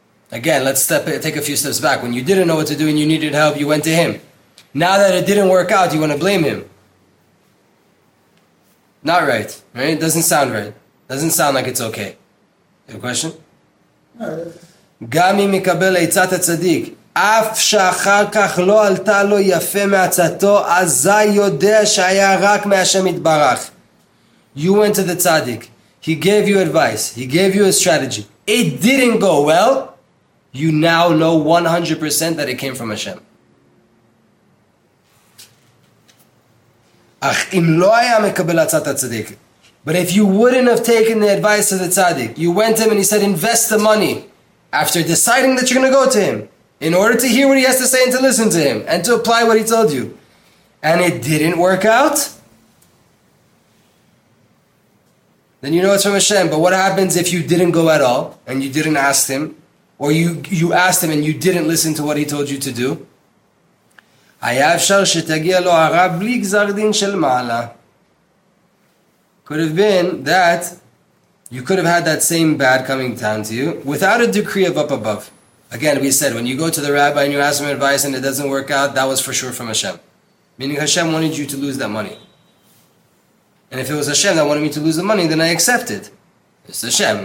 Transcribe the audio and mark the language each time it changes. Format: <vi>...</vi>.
<en>Again, let's take a few steps back. When you didn't know what to do and you needed help, you went to him. Now that it didn't work out, you want to blame him. Not right, right? Doesn't sound right. Doesn't sound like it's okay. You have a question?</en> <he>Gami mikabel eitzat tzadik. אף שאחר כך לא עלתה לו יפה מעצתו, אזי יודע שהיה רק מהשם יתברך.</he> <en>You went to the tzaddik. He gave you advice. He gave you a strategy. It didn't go well. You now know 100% that it came from Hashem.</en> <he>אך אם לא היה מקבל עצת הצדיק,</he> <en>but if you wouldn't have taken the advice of the tzaddik, you went to him and he said, invest the money, after deciding that you're going to go to him, in order to hear what he has to say and to listen to him, and to apply what he told you, and it didn't work out, then you know it's from Hashem. But what happens if you didn't go at all, and you didn't ask him, or you asked him and you didn't listen to what he told you to do?</en> <he>היה אפשר שתגיע לו הרע בלי גזר דין של מעלה.</he> <en>Could have been that you could have had that same bad coming down to you without a decree of up above. Again, we said, when you go to the rabbi and you ask him advice and it doesn't work out, that was for sure from Hashem. Meaning Hashem wanted you to lose that money. And if it was Hashem that wanted me to lose the money, then I accept it. It's Hashem.</en>